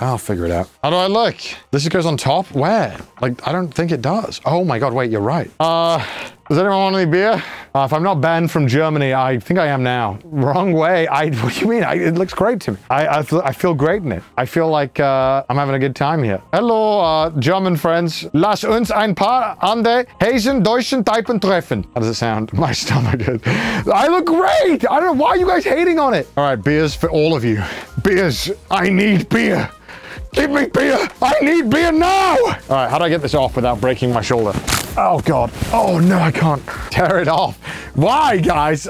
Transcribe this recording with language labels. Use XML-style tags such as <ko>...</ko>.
<en>I'll figure it out. How do I look? This goes on top? Where? Like, I don't think it does. Oh my God, wait, you're right. Does anyone want any beer? If I'm not banned from Germany, I think I am now. Wrong way. What do you mean? It looks great to me. I feel great in it. I feel like I'm having a good time here. Hello, German friends.</en> <de>Lass uns ein paar andere Hasen deutschen Typen treffen.</de> <en>How does it sound? My stomach is. I look great. I don't know. Why are you guys hating on it? All right, beers for all of you. Beers. I need beer. Give me beer. I need beer now. All right, how do I get this off without breaking my shoulder? Oh God, oh no, I can't tear it off. Why, guys?</en>